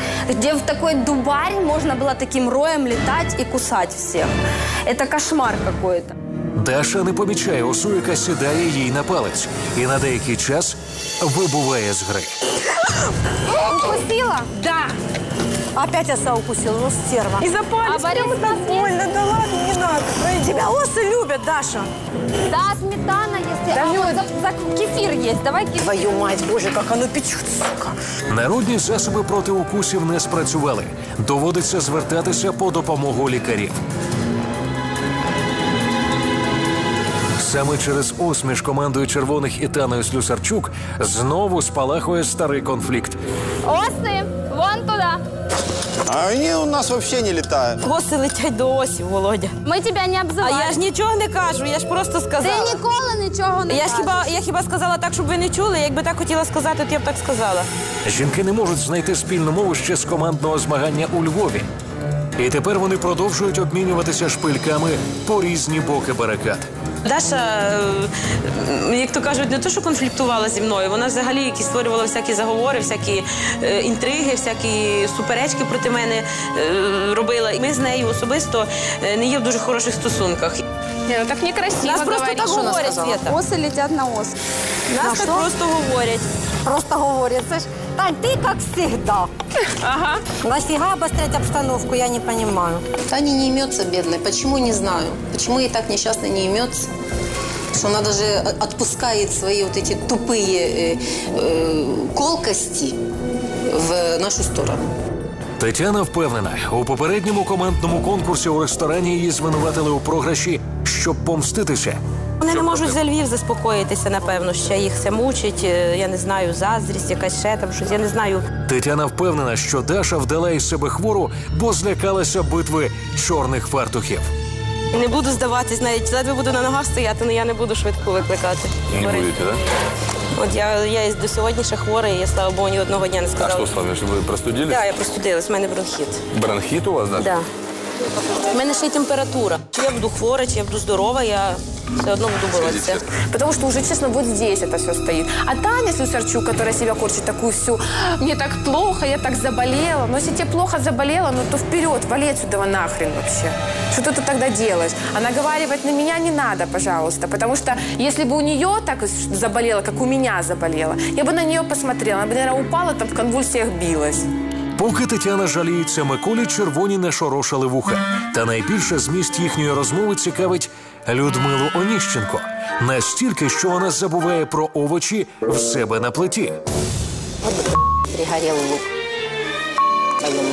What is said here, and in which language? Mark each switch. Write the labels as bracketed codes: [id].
[ru] Где в такой дубарь можно было таким роем летать и кусать всех? Это кошмар какой-то. Даша не помечает осу, яка сідає ей на палец. И на деякий час выбывает из игры. Укусила? Да. Опять оса укусила, ну стерва. И за палец. А Борис, так больно, да ладно, не надо. Тебя осы любят, Даша. Да, сметана есть. Да, а вот за кефир есть, давай кефир. Твою мать, боже, как оно печет, сука. [uk] Народні засоби проти укусів не спрацювали. Доводиться звертатися по допомогу лікарів. Саме через ось між командою червоних і Таною Слюсарчук знову спалахує старий конфлікт. [ru] Оси, вон туди. А они у нас вообще не летают. [uk] Осы летять до осів, Володя. [ru] Мы тебя не обзываем. [uk] А я ж нічого не кажу, я ж просто сказала. Ти ніколи нічого не кажеш. Я хіба сказала так, щоб ви не чули? Якби так хотіла сказати, то я б так сказала. Жінки не можуть знайти спільну мову ще з командного змагання у Львові. І тепер вони продовжують обмінюватися шпильками по різні боки барикад. Даша, як то кажуть, не то, що конфліктувала зі мною, вона взагалі якісь створювала всякі заговори, всякі інтриги, всякі суперечки проти мене робила. Ми з нею особисто не є в дуже хороших стосунках. [ru] Не, ну так некрасиво. Нас просто договорят, Света. Осы летят на осы. Нас так просто говорят. Просто говорят. Тань, ты как всегда. Ага. Нафига обострять обстановку, я не понимаю. Таня не имется, бедная. Почему, не знаю. Почему ей так несчастно не имется? Что она даже отпускает свои вот эти тупые колкости в нашу сторону. [uk] Тетяна впевнена, у попередньому командному конкурсі у ресторані її звинуватили у програші, щоб помститися. Вони не можуть за Львів заспокоїтися, напевно, ще їх це мучить, я не знаю, заздрість, якась ще там щось, я не знаю. Тетяна впевнена, що Даша вдала із себе хвору, бо злякалася битви чорних фартухів. Не буду здаватись, навіть ледве буду на ногах стояти, але я не буду швидку викликати. Не будете, так? От я до сьогодні ще хворий, я, слава Богу, ні одного дня не сказала. А що, Славі, що ви простудились? Так, да, я простудилась, в мене бронхіт. Бронхіт у вас, так? Да. У мене ще й температура. Чи я буду хвора, чи я буду здорова, я все одно буду боротися. Тому що вже, чесно, от здесь це все стоїть. А Таня Сусарчук, яка себе корчить таку всю, мені так плохо, [ru] я так заболела. Ну, якщо тебе плохо заболела, ну то вперед, вали отсюда нахрен вообще. Что ты тут тогда делаешь? А наговаривать на меня не надо, пожалуйста. Потому что если бы у нее так заболела, как у меня заболела, я бы на нее посмотрела. Она бы, наверное, упала, там в конвульсиях билась. [uk] Поки Тетяна жаліється, Миколі червоні нашорошили вуха. Та найбільше зміст їхньої розмови цікавить Людмилу Оніщенко. Настільки, що вона забуває про овочі в себе на плиті. Пригорів лук. Твою